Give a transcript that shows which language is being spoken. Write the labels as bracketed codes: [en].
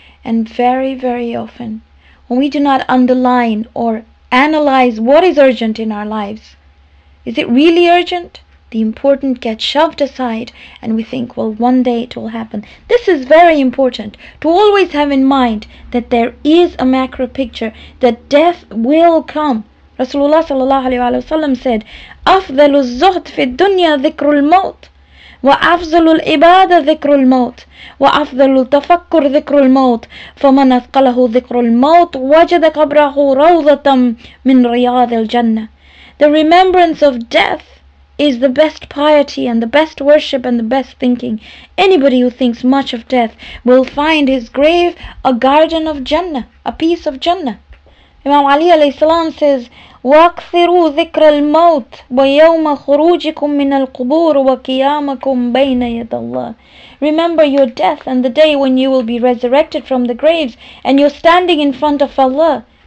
[en] And very, very often, when we do not underline or analyze what is urgent in our lives, is it really urgent? The important gets shoved aside and we think, well, one day it will happen. This is very important to always have in mind that there is a macro picture, that death will come. [ar] Rasulullah sallallahu alaihi wasallam said, أَفْضَلُ الزُّهْدِ فِي الدُّنْيَا ذِكْرُ الْمَوْتِ وَأَفْضَلُ الْعِبَادَ ذِكْرُ الْمَوْتِ وَأَفْضَلُ الْتَفَكُّرُ ذِكْرُ الْمَوْتِ فَمَنْ أَثْقَلَهُ ذِكْرُ الْمَوْتِ وَجَدَ قَبْرَهُ رَوْضَةً مِنْ رِيَاضِ الْجَنَّةِ [en] The remembrance of death is the best piety and the best worship and the best thinking. Anybody who thinks much of death will find his grave a garden of Jannah, a piece of Jannah. Imam Ali alayhi salam says, [ar] وَأَكْثِرُوا ذِكْرَ الْمَوْتِ وَيَوْمَ خُرُوجِكُمْ مِنَ الْقُبُورِ وَقِيَامَكُمْ بَيْنَ يَدَ اللَّهِ [en] Remember your death and the day when you will be resurrected from the graves and you're standing in front of Allah.